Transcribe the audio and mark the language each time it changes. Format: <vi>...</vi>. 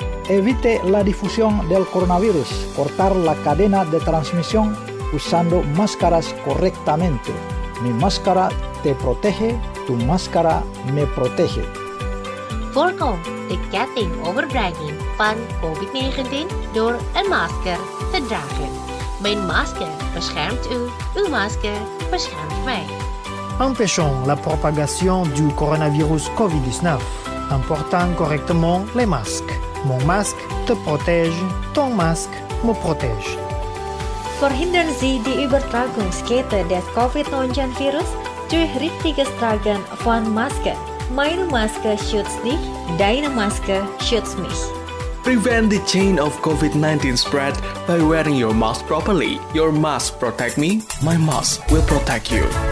<es>Evite la difusión del coronavirus. Cortar la cadena de transmisión usando máscaras correctamente. Mi máscara te protege, tu máscara me protege.</es> <nl>Forgo the getting over bragging van COVID-19 door een masker te dragen. Mijn masker beschermt u, uw masker beschermt mij.</nl> <fr>Empêchons la propagation du coronavirus COVID-19 en portant correctement les masques. Mon masque te protège, ton masque me protège.</fr> <de>Verhindern Sie die Übertragungskette des COVID-19 Virus durch richtiges Tragen von Masken. Meine Maske schützt dich, deine Maske schützt mich.</de> <en>Prevent the chain of COVID-19 spread by wearing your mask properly. Your mask protect me, my mask will protect you.</en>